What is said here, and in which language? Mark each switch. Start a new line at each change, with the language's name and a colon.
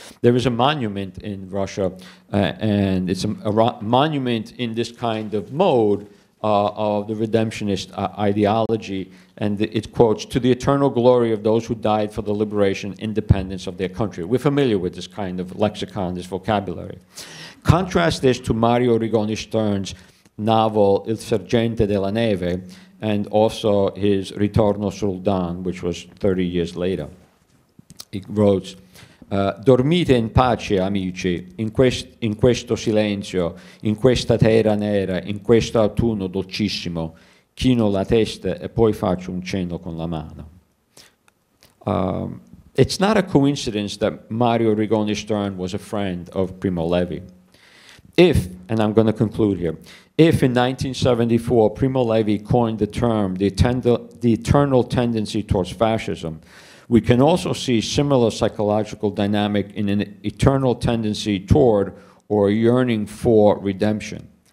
English: There is a monument in Russia, and it's a monument in this kind of mode of the redemptionist ideology, and it quotes, "to the eternal glory of those who died for the liberation and independence of their country." We're familiar with this kind of lexicon, this vocabulary. Contrast this to Mario Rigoni Stern's novel Il Sergente della Neve, and also his Ritorno sul Don, which was 30 years later.
Italian: He wrote, "Dormite in pace, amici, in questo silenzio, in questa terra nera, in questo autunno dolcissimo. Chino la testa e poi faccio un cenno con la mano."
English: It's not a coincidence that Mario Rigoni Stern was a friend of Primo Levi. If, and I'm going to conclude here, if in 1974 Primo Levi coined the term the eternal tendency towards fascism, we can also see similar psychological dynamic in an eternal tendency toward or yearning for redemption.